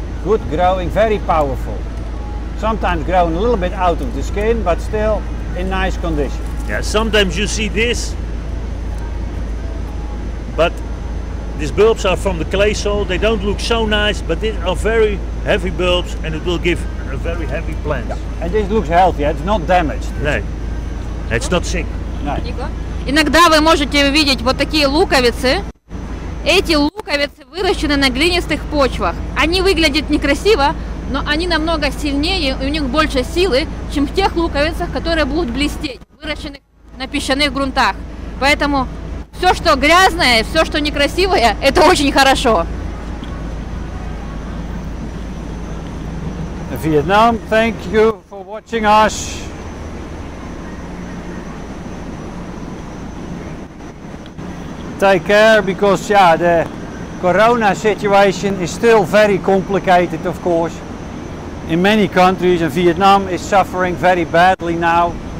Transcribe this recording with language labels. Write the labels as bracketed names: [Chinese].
[English] Good growing, very powerful. Sometimes growing a little bit out of the skin, but still in nice condition. Yeah, sometimes you see this, but these bulbs are from the clay soil. They don't look so nice, but these are very heavy bulbs and it will give a very heavy plant. Yeah. And this looks healthy, it's not damaged. No, it's not sick. [Russian] Иногда вы можете увидеть вот такие луковицы. Эти луковицы выращены на глинистых почвах. Они выглядят некрасиво, но они намного сильнее и у них больше силы, чем в тех луковицах, которые будут блестеть, выращенных на песчаных грунтах. Поэтому все, что грязное, все, что некрасивое, это очень хорошо. [English] Vietnam, thank you for watching us. Take care, because yeah, the corona situation is still very complicated, of course, in many countries, and Vietnam is suffering very badly now.